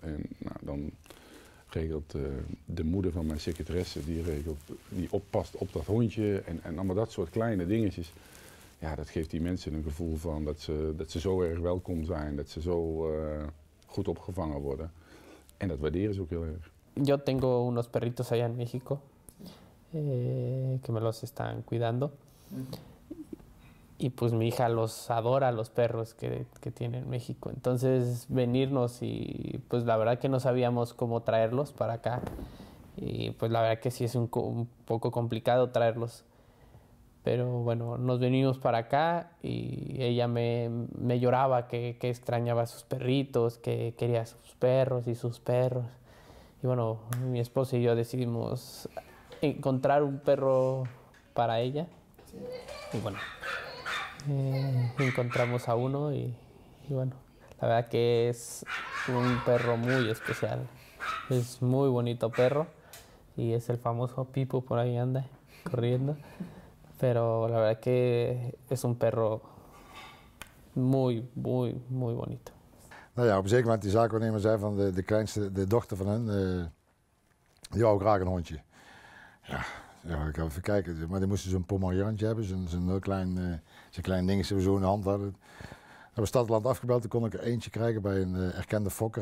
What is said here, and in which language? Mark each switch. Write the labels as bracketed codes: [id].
[nl] En nou, dan regelt de moeder van mijn secretaresse, die oppast op dat hondje en allemaal dat soort kleine dingetjes. Ja, dat geeft die mensen een gevoel van dat ze zo erg welkom zijn, dat ze zo goed opgevangen worden. En dat waarderen ze ook heel erg. [es] Yo tengo unos perritos allá en México, que me los están cuidando. Y pues mi hija los adora, los perros que tiene en México. Entonces, venirnos y pues la verdad que no sabíamos cómo traerlos para acá. Y pues la verdad que sí es un poco complicado traerlos. Pero bueno, nos venimos para acá y ella me lloraba que extrañaba a sus perritos, que quería a sus perros y sus perros. Y bueno, mi esposo y yo decidimos encontrar un perro para ella. Y bueno, encontramos a uno y bueno, la verdad que es un perro muy especial. Es muy bonito perro y es el famoso Pipo, por ahí anda corriendo. Pero la verdad que es un perro muy, muy, muy bonito. [nl] Nou ja, op zeker moment die zaakwaarnemer zei van de kleinste, de dochter van hen, die wou graag een hondje. Ja. Ja, ik ga even kijken. Maar die moesten zo'n pomerantje hebben, zo'n klein dingetje zo in de hand hadden. We hebben Stadland afgebeld, toen kon ik er eentje krijgen bij een erkende fokker.